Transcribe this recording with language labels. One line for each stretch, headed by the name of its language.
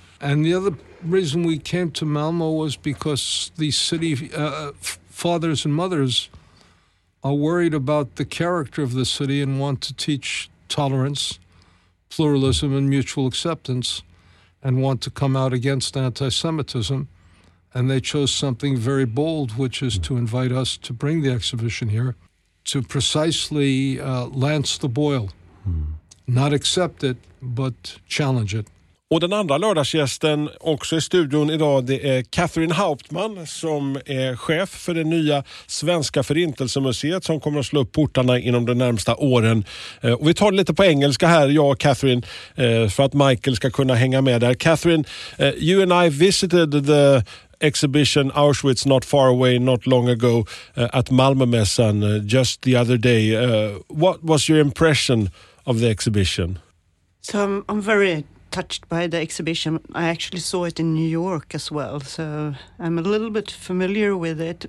English: And the other reason we came to Malmo was because the city fathers and mothers are worried about the character of the city and want to teach tolerance, pluralism, and mutual acceptance, and want to come out against anti-Semitism. And they chose something very bold, which is to invite us to bring the exhibition here to precisely lance the boil. Not accept it, but challenge it.
Swedish: Och den andra lördagsgästen också i studion idag, det är Catherine Hauptmann som är chef för det nya Svenska Förintelsemuseet som kommer att slå upp portarna inom de närmsta åren. Och vi tar lite på engelska här, jag och Catherine, för att Michael ska kunna hänga med där.
English: Catherine, you and I visited the exhibition Auschwitz not far away, not long ago, at Malmömässan just the other day. What was your impression of the exhibition? So I'm very touched by the exhibition. I actually saw it in New York as well, so I'm a little bit familiar with it.